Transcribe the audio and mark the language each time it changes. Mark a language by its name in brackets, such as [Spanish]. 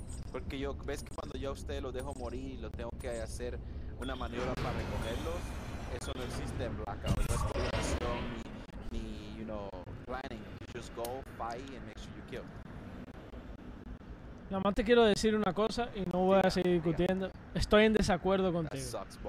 [Spanish] Porque yo, ves que cuando yo a ustedes los dejo morir y lo tengo que hacer una maniobra para recogerlos, eso no existe en Blackout. No es coordinación ni, [English] you know, planning. Just go, fight, and make sure you kill. [Spanish] Nada más te quiero decir una cosa y no voy a seguir discutiendo. Estoy en desacuerdo contigo.